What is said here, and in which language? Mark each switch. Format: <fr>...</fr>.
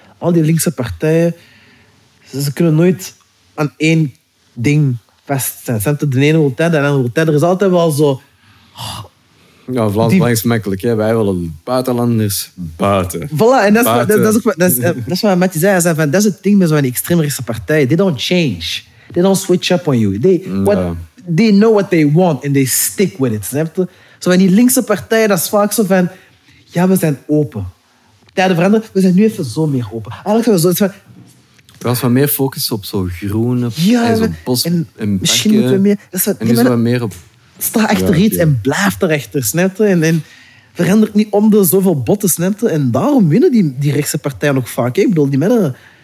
<nl>Al die linkse partijen, ze kunnen nooit aan één ding vast zijn. Snap je? De ene wil tijd, de andere wil tijd. Er is altijd wel zo... Ja, Vlaams Belang is makkelijk. Hè? Wij willen buitenlanders buiten. Voilà, en dat is wat Mattie zei. Hij zei van, dat is het ding met zo'n extreemrechtse partijen.</nl> <en>They don't change. They don't switch up on you. They know what they want and they stick with it.</en> <nl>Snap je? Zo van die linkse partijen, dat is vaak zo van... Ja, we zijn open. Tijden veranderen, we zijn nu even zo meer open. Eigenlijk zijn we zo... Trouwens, wat meer focus op zo groene... Ja, en zo bos en parken. Misschien moeten we meer... Dat is wat, en nu zijn we meer op... Sta achter iets en blijf erachter, snap je? En verander niet om de zoveel botten, snap je? En daarom winnen die rechtse partijen ook vaak. Hè? Ik bedoel, die mannen...</nl>